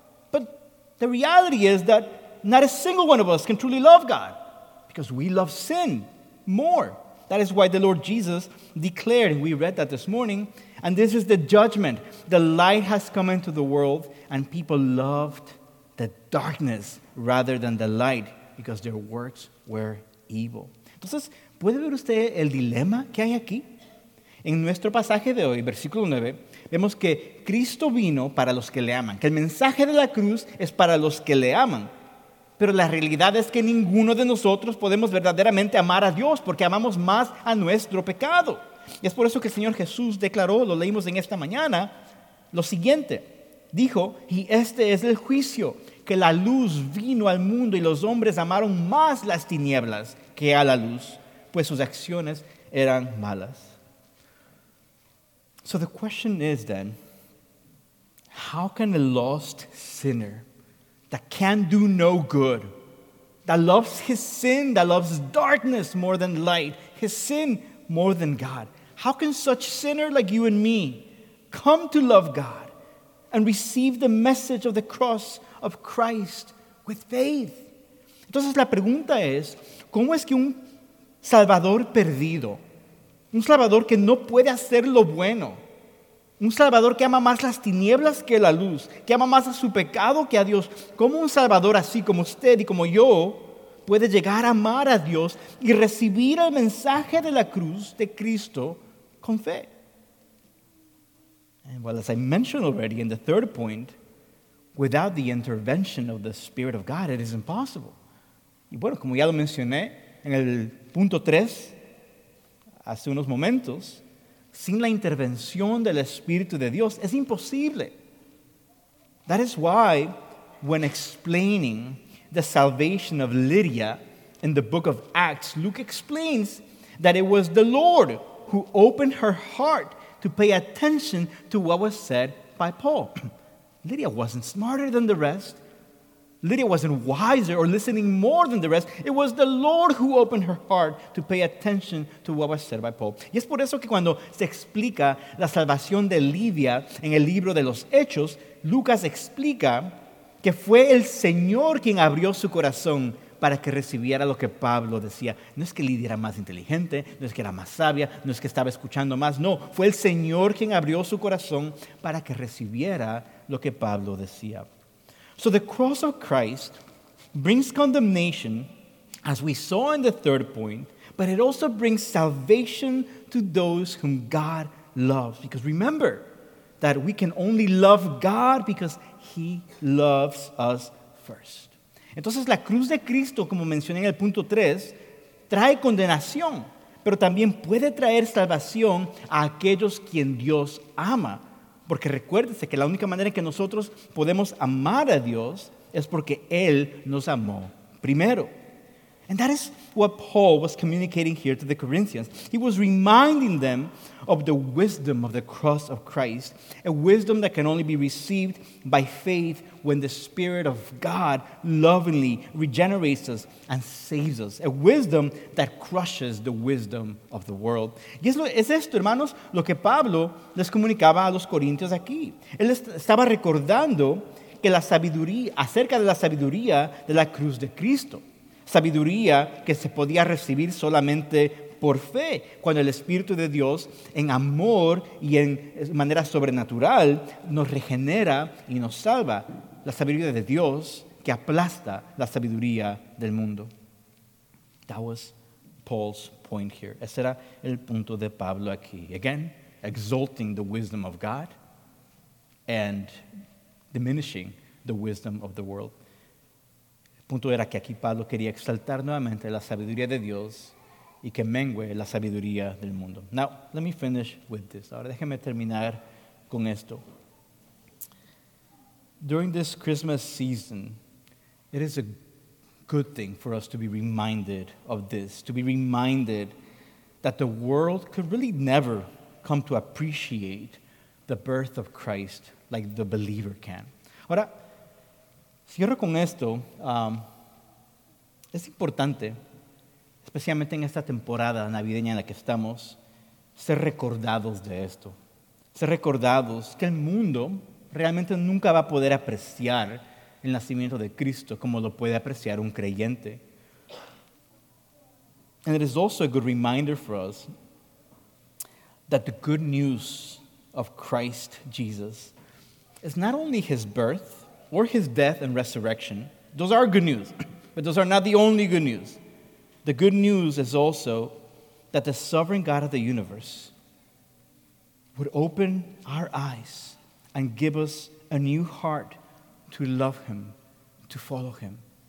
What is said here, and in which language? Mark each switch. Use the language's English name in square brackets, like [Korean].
[English] But the reality is that not a single one of us can truly love God because we love sin more. That is why the Lord Jesus declared, and we read that this morning, and this is the judgment. The light has come into the world, and people loved the darkness rather than the light because their works were evil. [Spanish] Entonces, ¿puede ver usted el dilema que hay aquí? En nuestro pasaje de hoy, versículo 9, vemos que Cristo vino para los que le aman, que el mensaje de la cruz es para los que le aman. Pero la realidad es que ninguno de nosotros podemos verdaderamente amar a Dios porque amamos más a nuestro pecado. Y es por eso que el Señor Jesús declaró, lo leímos en esta mañana, lo siguiente. Dijo, y este es el juicio, que la luz vino al mundo y los hombres amaron más las tinieblas que a la luz, pues sus acciones eran malas. [English] So the question is then, how can a lost sinner that can do no good, that loves his sin, that loves darkness more than light, his sin more than God. How can such sinner like you and me come to love God and receive the message of the cross of Christ with faith. [Spanish] Entonces la pregunta es, ¿cómo es que un salvador perdido, un salvador que no puede hacer lo bueno, un salvador que ama más las tinieblas que la luz, que ama más a su pecado que a Dios, cómo un salvador así como usted y como yo puede llegar a amar a Dios y recibir el mensaje de la cruz de Cristo con fe? [English] And well, as I mentioned already in the third point, without the intervention of the Spirit of God, it is impossible. [Spanish] Y bueno, como ya lo mencioné en el punto 3, hace unos momentos, sin la intervención del Espíritu de Dios, es imposible. [English] That is why, when explaining the salvation of Lydia in the book of Acts, Luke explains that it was the Lord who opened her heart to pay attention to what was said by Paul. Lydia wasn't smarter than the rest. Lydia wasn't wiser or listening more than the rest. It was the Lord who opened her heart to pay attention to what was said by Paul. [Spanish] Y es por eso que cuando se explica la salvación de Lydia en el libro de los Hechos, Lucas explica que fue el Señor quien abrió su corazón para que recibiera lo que Pablo decía. No es que Lydia era más inteligente, no es que era más sabia, no es que estaba escuchando más, no. Fue el Señor quien abrió su corazón para que recibiera lo que Pablo decía. [English] So the cross of Christ brings condemnation, as we saw in the third point, but it also brings salvation to those whom God loves. Because remember that we can only love God because He loves us first. [Spanish] Entonces la cruz de Cristo, como mencioné en el punto 3, trae condenación, pero también puede traer salvación a aquellos quien Dios ama. Porque recuérdese que la única manera en que nosotros podemos amar a Dios es porque Él nos amó primero. [English] And that is what Paul was communicating here to the Corinthians. He was reminding them of the wisdom of the cross of Christ, a wisdom that can only be received by faith when the Spirit of God lovingly regenerates us and saves us, a wisdom that crushes the wisdom of the world. [Spanish] Y es esto, hermanos, lo que Pablo les comunicaba a los corintios aquí. Él estaba recordando que la sabiduría, acerca de la sabiduría de la cruz de Cristo, sabiduría que se podía recibir solamente por fe, cuando el Espíritu de Dios en amor y en manera sobrenatural nos regenera y nos salva. La sabiduría de Dios que aplasta la sabiduría del mundo. [English] That was Paul's point here. [Spanish] Ese era el punto de Pablo aquí. [English] Again, exalting the wisdom of God and diminishing the wisdom of the world. [Spanish] El punto era que aquí Pablo quería exaltar nuevamente la sabiduría de Dios y que mengue la sabiduría del mundo. [English] Now, let me finish with this. [Spanish] Ahora déjeme terminar con esto. [English] During this Christmas season, it is a good thing for us to be reminded of this, to be reminded that the world could really never come to appreciate the birth of Christ like the believer can. [Spanish] Ahora, cierro con esto. Es importante, especialmente en esta temporada navideña en la que estamos, ser recordados de esto. Ser recordados que el mundo realmente nunca va a poder apreciar el nacimiento de Cristo como lo puede apreciar un creyente. [English] And it is also a good reminder for us that the good news of Christ Jesus is not only His birth, or His death and resurrection. Those are good news, but those are not the only good news. The good news is also that the sovereign God of the universe would open our eyes and give us a new heart to love Him, to follow Him.